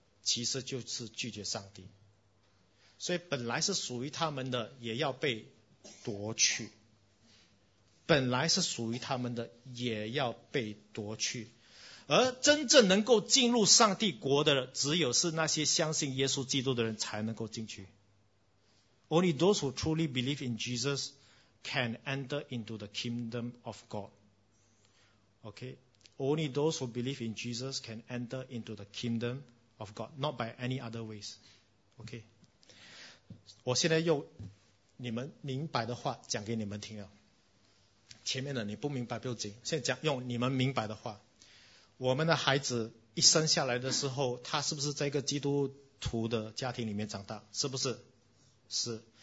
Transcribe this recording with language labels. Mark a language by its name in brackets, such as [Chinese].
[Chinese] 其实就是拒绝上帝。所以本来是属于他们的也要被夺去，本来是属于他们的也要被夺去。而真正能够进入上帝国的，只有是那些相信耶稣基督的人才能够进去。 [English] Only those who truly believe in Jesus can enter into the kingdom of God. OK, only those who believe in Jesus can enter into the kingdom of God, not by any other ways. [Chinese] OK, 我现在用你们明白的话讲给你们听了，前面的你不明白不紧，现在讲用你们明白的话。我们的孩子一生下来的时候，他是不是在一个基督徒的家庭里面长大？是不是？是。